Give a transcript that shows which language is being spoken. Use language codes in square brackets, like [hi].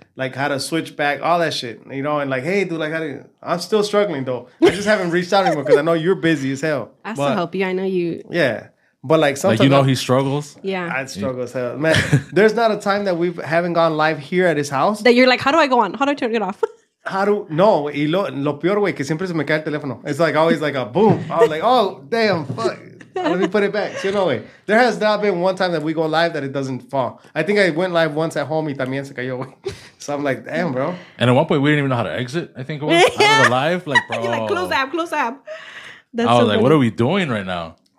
[en] Like how to switch back, all that shit, you know, and like, hey, dude, like, I'm still struggling though. I just haven't reached out anymore because I know you're busy as hell. I still help you. I know you. Yeah, but like sometimes like you know he struggles. Yeah, I struggle as hell, man. There's not a time that we haven't gone live here at his house that you're like, how do I go on? How do I turn it off? How do no? [es] Y lo peor güey que siempre se me cae el teléfono. [en] It's like always like a boom. I was like, oh damn, fuck. Let me put it back. So, no way. There has not been one time that we go live that it doesn't fall. I think I went live once at home. [es] Y también se cayó. [en] So I'm like, damn, bro. And at one point, we didn't even know how to exit. I think it was. Yeah. Out of the live. Like, bro. You're like, close app. That's I was so like, funny. What are we doing right now?